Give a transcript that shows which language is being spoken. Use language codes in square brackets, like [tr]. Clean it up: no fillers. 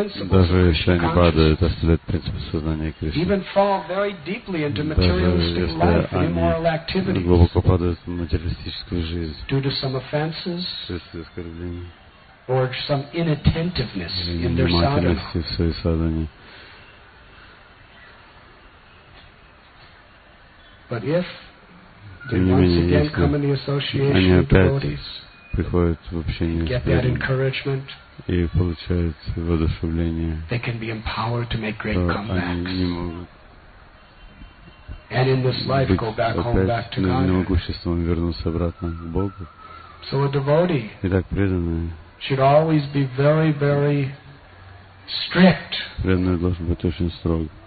[ru] Даже если они падают, оставляют принципы сознания Кришны. Даже если они глубоко падают в материалистическую жизнь. Вследствие оскорблений. [en] Or some inattentiveness in their sadhana. [ru] Внимательности в своей садане. [en] But if they once again come in the association of devotees, [ru] приходят в общение с Богом и получают воодушевление, [en] they can be empowered to make great comebacks. [ru] Опять могуществом вернуться обратно к Богу. [en] So a devotee, [ru] итак, преданные, [en] should always be very, very strict. [ru] Преданный должен быть очень строг.